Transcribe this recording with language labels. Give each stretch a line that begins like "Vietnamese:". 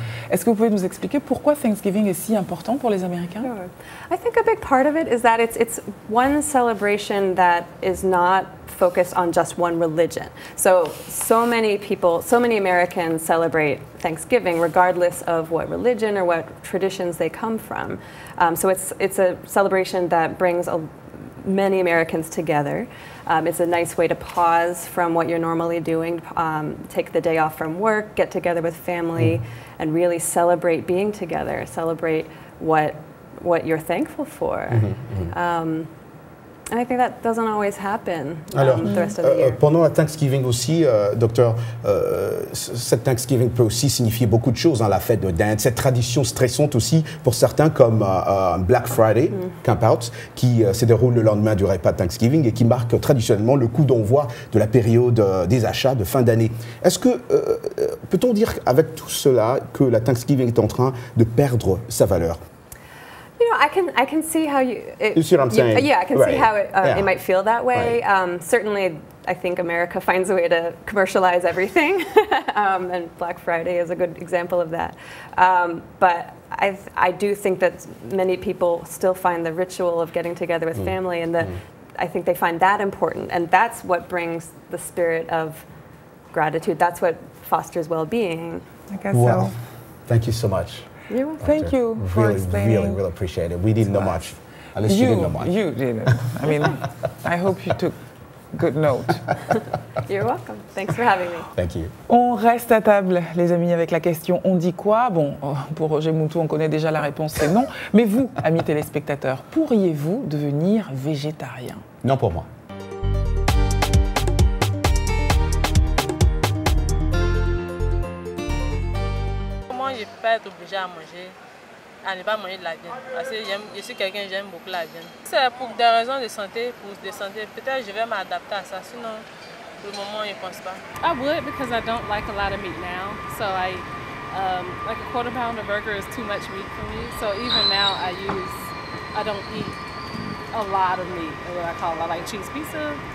French: Est-ce que vous pouvez nous expliquer pourquoi Thanksgiving est si important pour les Américains?
English: Sure. I think a big part of it is that it's one celebration that is not focused on just one religion. So many people, so many Americans celebrate Thanksgiving regardless of what religion or what traditions they come from. So it's a celebration that brings many Americans together. It's a nice way to pause from what you're normally doing, take the day off from work, get together with family, and really celebrate being together, celebrate what you're thankful for. And I think that doesn't always happen the rest of the year.
French: Pendant la Thanksgiving aussi, docteur, cette Thanksgiving peut aussi signifier beaucoup de choses, hein, la fête de dinde, cette tradition stressante aussi pour certains comme Black Friday, Campouts, qui se déroule le lendemain du repas de Thanksgiving et qui marque traditionnellement le coup d'envoi de la période des achats de fin d'année. Est-ce que, peut-on dire avec tout cela que la Thanksgiving est en train de perdre sa valeur?
English: You know, I can see how you see what I'm saying. Yeah, I can see how it might feel that way. Right. Certainly, I think America finds a way to commercialize everything, and Black Friday is a good example of that. But I do think that many people still find the ritual of getting together with family, and that I think they find that important, and that's what brings the spirit of gratitude. That's what fosters well-being. I guess well, so. Thank you so much. You're welcome. Thank you for explaining. Really, really, really appreciate it. We didn't know much. At least you didn't know much. You didn't. I mean, I hope you took good note. You're welcome. Thanks for having me. Thank you.
French: On reste à table, les amis, avec la question « On dit quoi ?» Bon, pour Roger Moutou, on connaît déjà la réponse, c'est non. Mais vous, amis téléspectateurs, pourriez-vous devenir végétarien ? Non pour moi. Je ne peux pas être obligée à manger, à ne pas manger de la viande. Parce que je suis quelqu'un, j'aime beaucoup la viande. C'est pour des raisons de santé, peut-être je vais m'adapter à ça. Sinon, pour le moment, je ne pense pas.
English: I would because I don't like a lot of meat now. So like a quarter pound of burger is too much meat for me. So even now, I don't eat a lot of meat, what I call it. I like cheese pizza.